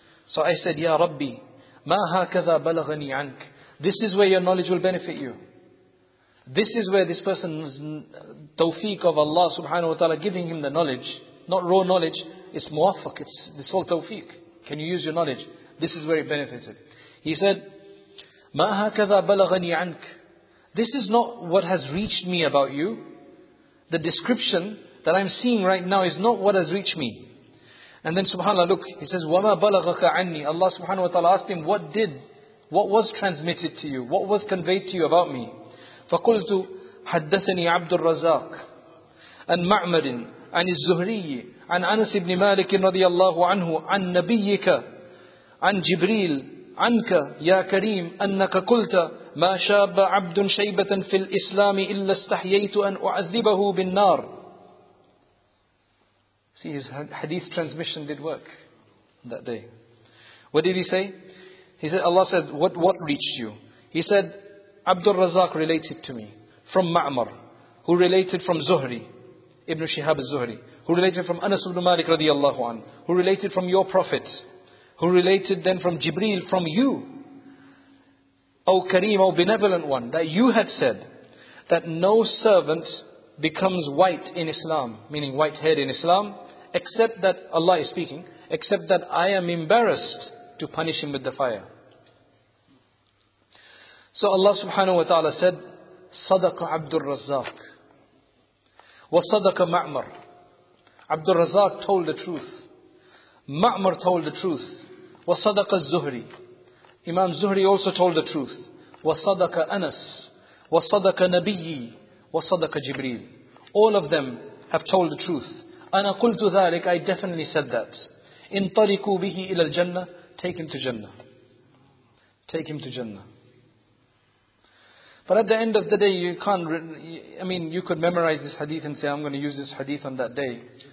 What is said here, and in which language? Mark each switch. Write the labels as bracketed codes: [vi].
[en] So I said, [ar] Ya Rabbi, ma hakadha balagani ank. [en] This is where your knowledge will benefit you. This is where this person's tawfiq of Allah subhanahu wa ta'ala giving him the knowledge, not raw knowledge, it's muwaffaq, it's this whole tawfiq. Can you use your knowledge? This is where it benefited. He said, [ar] ما هكذا بلغني عنك. [en] This is not what has reached me about you. The description that I'm seeing right now is not what has reached me. And then subhanAllah, look, he says, [ar] وما بلغك عني. [en] Allah subhanahu wa ta'ala asked him, what was transmitted to you? What was conveyed to you about me? [ar] فقلت حدثني عبد الرزاق عن معمر عن الزهري عن أنس بن مالك رضي الله عنه عن نبيك عن جبريل عنك يا كريم أنك قلت ما شاب عبد شيبة في الإسلام إلا استحييت أن أعذبه بالنار. [en] See, his hadith transmission did work that day. What did he say? He said, Allah said, what reached you? He said, Abdul Razak related to me from Ma'mar, who related from Zuhri, Ibn Shihab al-Zuhri, who related from Anas ibn Malik radiallahu anhu, who related from your prophet, who related then from Jibreel, from you, O Kareem, O benevolent one, that you had said that no servant becomes white in Islam, meaning white-haired in Islam, except that, Allah is speaking, except that I am embarrassed to punish him with the fire. So Allah subhanahu wa ta'ala said, [ar] صدق عبد الرزاق وصدق معمر. [en] عبد الرزاق told the truth. معمر told the truth. [ar] وصدق الزهري. [en] Imam Zuhri also told the truth. [ar] وصدق أنس وصدق نبي وصدق جبريل. [en] All of them have told the truth. [ar] أنا قلت ذلك. [en] I definitely said that. [ar] انطلقوا به إلى الجنة. [en] Take him to Jannah. Take him to Jannah. But at the end of the day, you could memorize this hadith and say, I'm going to use this hadith on that day.